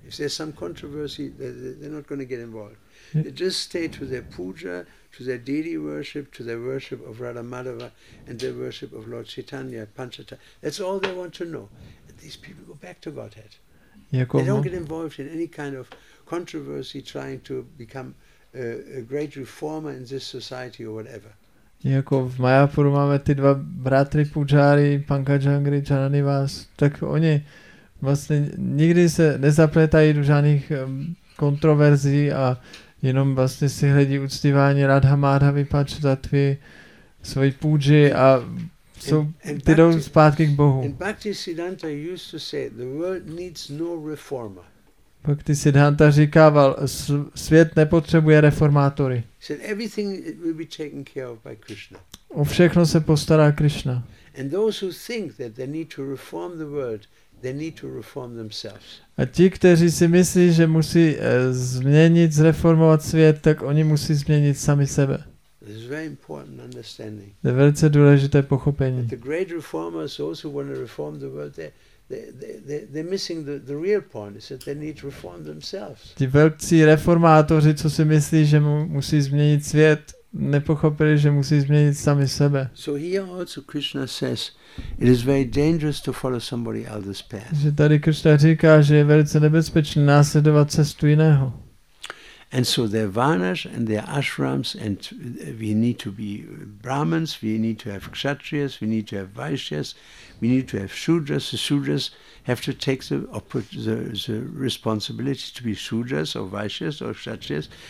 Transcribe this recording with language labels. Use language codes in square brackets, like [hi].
[en] If there's some controversy, they're not going to get involved. They just stay to their puja, to their deity worship, to their worship of Radha Madhava and their worship of Lord Chaitanya, Panchata. That's all they want to know. And these people go back to Godhead. [cs] Jako [en] they don't get involved in any kind of controversy trying to become a great reformer in this society or whatever. [cs] Jako v Mayapuru máme ty dva bratry Pujari, Pankajangri, Jananivas, tak oni vlastně nikdy se nezapletají do žádných kontroverzí a jenom vlastně si hledí uctívání Radha Madhavy, Panchatattvy, svoji puji a jsou ty jdou zpátky k Bohu. [en] Bhaktisiddhanta used to say the world needs no reformer. [cs] Bhaktisiddhanta říkával, svět nepotřebuje reformátory. [en] Said everything will be taken care of by Krishna. [cs] O všechno se postará Krishna. [en] And those who think that they need to reform the world, they need to reform themselves. [cs] A ti, kteří si myslí, že musí změnit, zreformovat svět, tak oni musí změnit sami sebe. [en] This is very important understanding. [cs] To je velice důležité pochopení. [en] The great reformers, those who want to reform the world, they're missing the real point. Is that they need to reform themselves. [cs] Ti velcí reformátoři, co si myslí, že musí změnit svět, nepochopili, že musí změnit sami sebe. [en] So here also Krishna says, it is very dangerous to follow somebody else's path. [cs] Že tady Krishna říká, že je velice nebezpečné následovat cestu jiného. [en] And so their varnas and their ashrams, and we need to be Brahmins, we need to have Kshatriyas, we need to have Vaishyas, we need to have Shudras. The Shudras have to take the responsibility to be Shudras or Vaishyas or Kshatriyas.